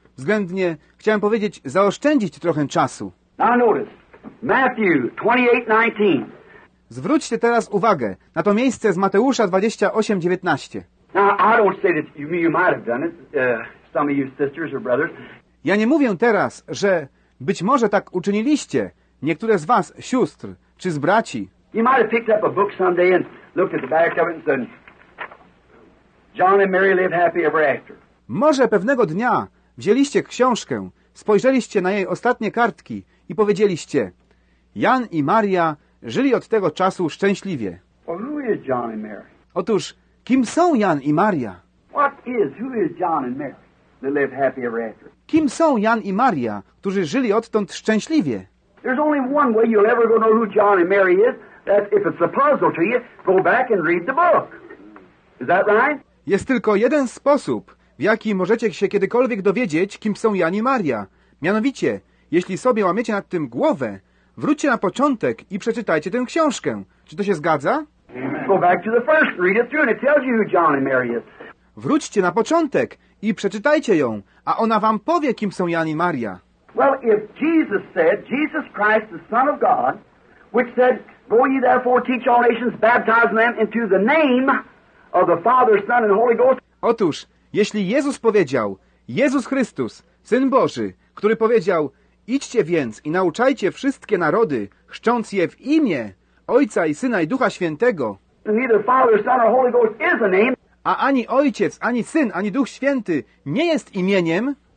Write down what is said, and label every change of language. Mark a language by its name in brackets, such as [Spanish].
[Polish] Względnie, chciałem powiedzieć, zaoszczędzić trochę czasu. [English] Now notice, Matthew 28:19. [Polish] Zwróćcie teraz uwagę na to miejsce z Mateusza 28:19. [English] Now, I don't say that you might have done it, some of you sisters or brothers. [Polish] Ja nie mówię teraz, że być może tak uczyniliście, niektóre z was, sióstr, czy z braci. [English] You might have picked up a book someday and looked at the back of it and said, John and Mary live happy ever after. [Polish] Może pewnego dnia wzięliście książkę, spojrzeliście na jej ostatnie kartki i powiedzieliście: Jan i Maria żyli od tego czasu szczęśliwie. [English] Well, who is John and Mary? [Polish] Otóż, kim są Jan i Maria? [English] What is, who is John and Mary? They live happy ever after. [Polish] Kim są Jan i Maria, którzy żyli odtąd szczęśliwie? [English] There's only one way you'll ever go know who John and Mary is, that's if it's a puzzle to you, go back and read the book. Is that right? [Polish] Jest tylko jeden sposób, w jaki możecie się kiedykolwiek dowiedzieć, kim są Jan i Maria. Mianowicie, jeśli sobie łamiecie nad tym głowę, wróćcie na początek i przeczytajcie tę książkę. Czy to się zgadza? [English] Go back to the first, read it through and it tells you who John and Mary is. [Polish] Wróćcie na początek i przeczytajcie ją, a ona wam powie, kim są Jan i Maria. [English] Well, if Jesus said, Jesus Christ, the Son of God, which said, go ye therefore teach all nations, baptize them into the name of the Father, Son and Holy Ghost. [Polish] Otóż, jeśli Jezus powiedział, Jezus Chrystus, Syn Boży, który powiedział, idźcie więc i nauczajcie wszystkie narody, chrzcząc je w imię Ojca i Syna i Ducha Świętego. [English] Neither Father, Son or Holy Ghost is a name. [Polish] A ani Ojciec, ani Syn, ani Duch Święty nie jest imieniem.